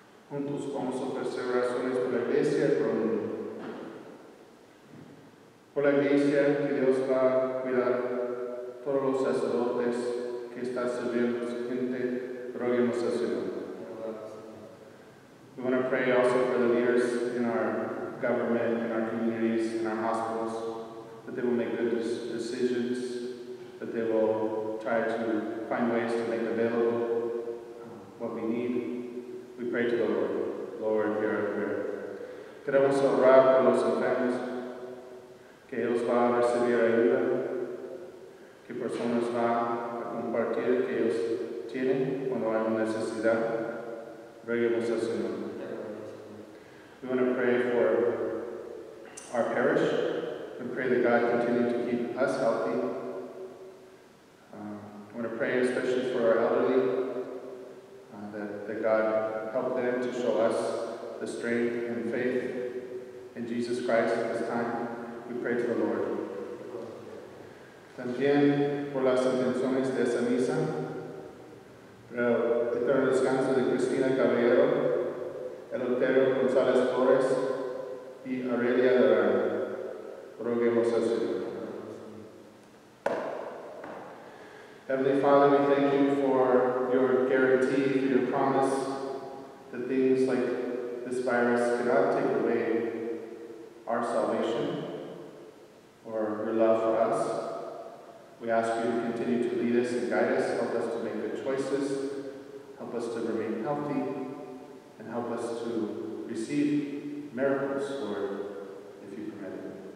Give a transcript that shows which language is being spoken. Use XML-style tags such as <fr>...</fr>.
<es>Juntos vamos a ofrecer oraciones por la iglesia y por el mundo. Por la iglesia, que Dios va a cuidar todos los sacerdotes que están sirviendo a su gente, roguemos al Señor.</es> <en>We want to pray also for the leaders in our government, in our communities, in our hospitals, that they will make good decisions, that they will try to find ways to make available what we need. We pray to the Lord. Lord, hear our prayer.</en> <es>Queremos orar por los enfermos, que ellos van a recibir ayuda, que personas van a compartir que ellos tienen cuando hay necesidad. Roguemos al Señor.</es> <en>We want to pray for our parish. We pray that God continue to keep us healthy. We want to pray especially for our elderly, that God help them to show us the strength and faith in Jesus Christ at this time. We pray to the Lord.</en> <es>También por las intenciones de esa misa, para el eterno descanso de Cristina Caballero, el Otero González Flores y Aurelia Durán, roguemos al Señor.</es> <en>Heavenly Father, we thank you for your guarantee, for your promise that things like this virus cannot take away our salvation or your love for us. We ask you to continue to lead us and guide us, help us to make good choices, help us to remain healthy, and help us to receive miracles, Lord, if you permit it.</en>